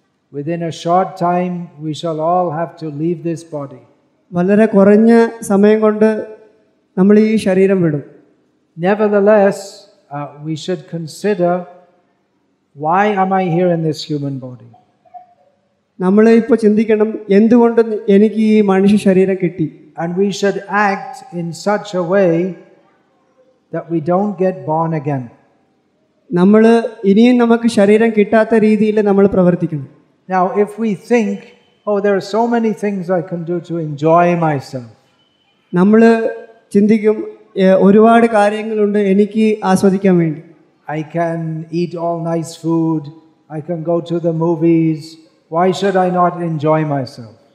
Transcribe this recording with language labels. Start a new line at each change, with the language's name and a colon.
English: Within a short time we shall all have to leave this body.
Malayalam: valare koranja samayam kondu nammal ee shariram vidum.
English: Nevertheless, we should consider, why am I here in this human body?
Malayalam: നമ്മളെ ഇപ്പോ ചിന്തിക്കണം, എന്തുകൊണ്ട് എനിക്ക് ഈ മനുഷ്യ ശരീരം കിട്ടി?
English: And we should act in such a way that we don't get born again.
Malayalam: നമ്മൾ ഇനിയും നമുക്ക് ശരീരം കിട്ടാത്ത രീതിയിൽ നമ്മൾ പ്രവർത്തിക്കണം.
English: Now if we think, oh, there are so many things I can do to enjoy myself.
Malayalam: നമ്മൾ ചിന്തിക്കും, ഒരുപാട് കാര്യങ്ങളുണ്ട് എനിക്ക് ആസ്വദിക്കാൻ വേണ്ടി.
English: I can eat all nice food. I can go to the movies. Why should I not enjoy myself?